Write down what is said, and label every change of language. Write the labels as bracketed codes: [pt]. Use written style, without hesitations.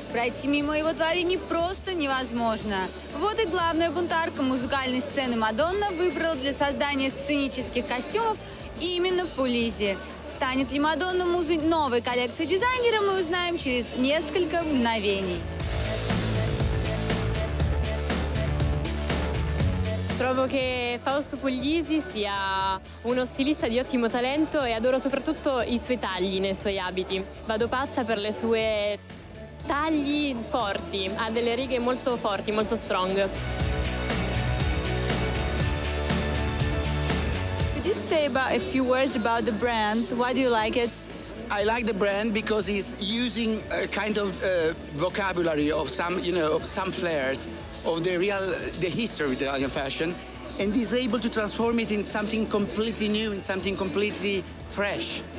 [ru] Пройти мимо его творений просто невозможно. Вот и главная бунтарка музыкальной сцены Мадонна выбрала для создания сценических костюмов именно Пулиси. Станет ли Мадонна музой новой коллекции дизайнера, мы узнаем через несколько мгновений. [it] Trovo che Fausto Puglisi sia uno stilista di ottimo talento e adoro soprattutto i suoi tagli nei suoi abiti. Vado pazza per le sue tagli forti, ha delle righe molto forti, molto strong. [en] Could you say about a few words about the brand? Why do you like it? I like the brand because it's using a kind of vocabulary of some, you know, of some flares of the real, the history of Italian fashion, and is able to transform it in something completely new, in something completely fresh.